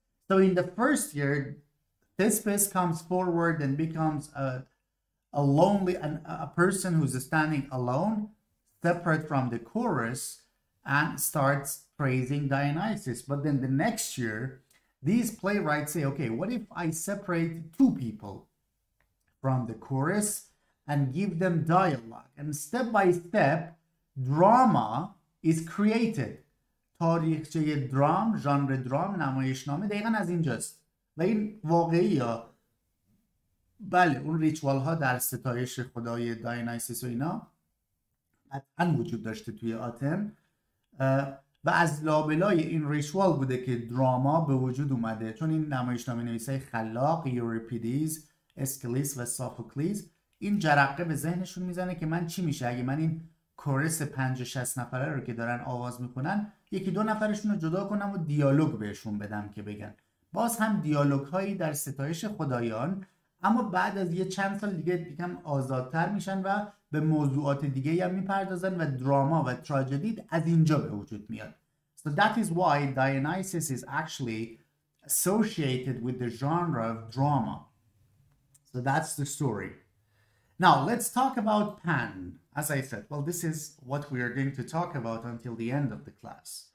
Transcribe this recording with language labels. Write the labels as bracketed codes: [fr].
[en] So in the first year, Thespis comes forward and becomes a person who's standing alone, separate from the chorus, and starts praising Dionysus. But then the next year, these playwrights say, okay, what if I separate two people from the chorus and give them dialogue? And step by step, drama is created. [fa] تاریخچه درام، ژانر درام، نمایشنامه دقیقا از اینجاست. و این واقعی ها، بله، اون ریچوال ها در ستایش خدای داینایسیس و اینا حتما وجود داشته توی آتن. و از لابلای این ریچوال بوده که دراما به وجود اومده، چون این نمایشنامه نویسای خلاق یوریپیدیز، اسکلیس و سافوکلیز این جرقه به ذهنشون میزنه که من چی میشه اگه من این کورس 50-60 نفره رو که دارن آواز میکنن یکی دو نفرشون رو جدا کنم و دیالوگ بهشون بدم که بگن. باز هم دیالوگ هایی در ستایش خدایان، اما بعد از یه چند سال دیگه یکم آزادتر میشن و به موضوعات دیگه هم میپردازن و دراما و تراژدی از اینجا به وجود میاد. [en] So that is why Dionysus is actually associated with the genre of drama. So that's the story. Now let's talk about Pan. As I said, well, this is what we are going to talk about until the end of the class.